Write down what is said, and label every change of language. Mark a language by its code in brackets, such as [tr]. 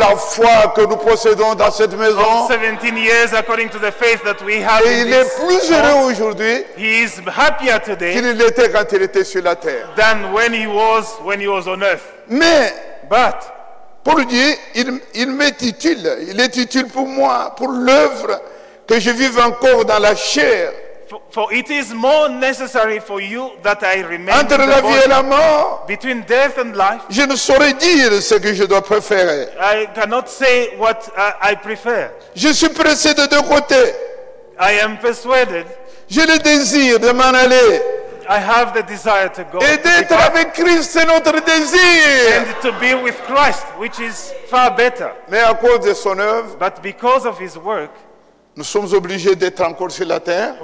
[fr] la foi que nous possédons dans cette maison. [en] 17 years according to the faith that we have. [fr] Et il est plus heureux aujourd'hui. [en] He is happier today [fr] qu'il l'était quand il était sur la terre. [en] Than when he was on earth. [fr] Mais [en] but [fr] pour Dieu, il m'est utile. Il est utile pour moi, pour l'œuvre que je vive encore dans la chair. [en] For it is more necessary for you that I remain [fr] entre la vie et la mort, [en] between death and life. [fr] Je ne saurais dire ce que je dois préférer. [en] I cannot say what I prefer. [fr] Je suis pressé de deux côtés. [en] I am persuaded. [fr] Je le désire de m'en aller. [en] I have the desire to go. [fr] Et d'être avec Christ, c'est notre désir. [en] And to be with Christ, which is far better. [fr] Mais à cause de son œuvre, [en] but because of his work, [fr] nous sommes obligés d'être encore sur la terre.